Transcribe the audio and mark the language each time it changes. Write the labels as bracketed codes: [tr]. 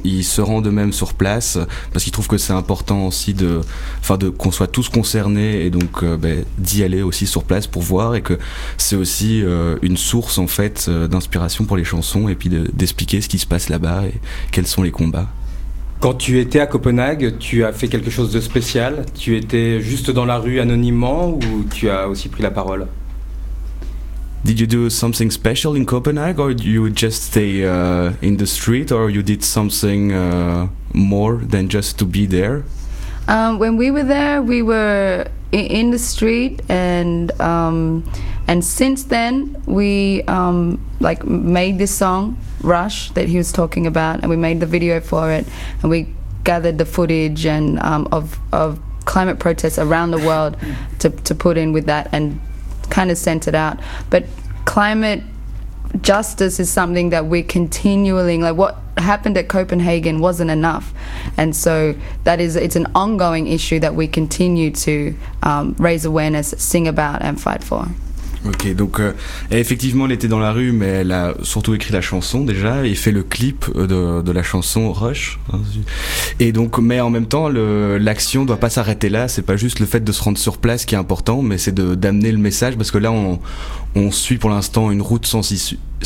[fr] Il se rend de même sur place parce qu'il trouve que c'est important aussi de qu'on soit tous concernés, et donc d'y aller aussi sur place pour voir, et que c'est aussi une source en fait d'inspiration pour les chansons, et puis d'expliquer ce qui se passe là-bas et quels sont les combats. Quand tu étais à Copenhague, tu as fait quelque chose de spécial? Tu étais juste dans la rue anonymement ou tu as aussi pris la parole? [en] Did you do something special in Copenhague, or you just stay in the street, or you did something more than just to be there? When we were there, we were in the street, and since then we made this song Rush that he was talking about, and we made the video for it, and we gathered the footage and of climate protests around the world to put in with that and kind of sent it out. But climate justice is something that we're continually, like what happened at Copenhagen wasn't enough, and so that is, it's an ongoing issue that we continue to raise awareness, sing about and fight for. [fr] Ok, donc effectivement elle était dans la rue, mais elle a surtout écrit la chanson déjà et fait le clip de la chanson Rush. Et donc, mais en même temps l'action doit pas s'arrêter là, c'est pas juste le fait de se rendre sur place qui est important, mais c'est d'amener le message, parce que là on suit pour l'instant une route sans issue.